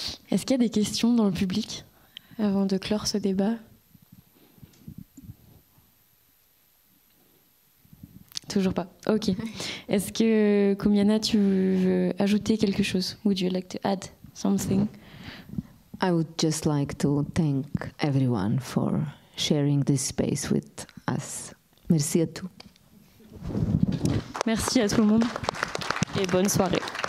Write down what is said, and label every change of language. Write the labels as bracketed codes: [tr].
[fr] Est-ce qu'il y a des questions dans le public avant de clore ce débat? Toujours pas. Ok. Est-ce que Kumjana, tu veux ajouter quelque chose? [en] Would you like to add something? I would just like to thank everyone for sharing this space with us. [fr] Merci à tous. Merci à tout le monde et bonne soirée.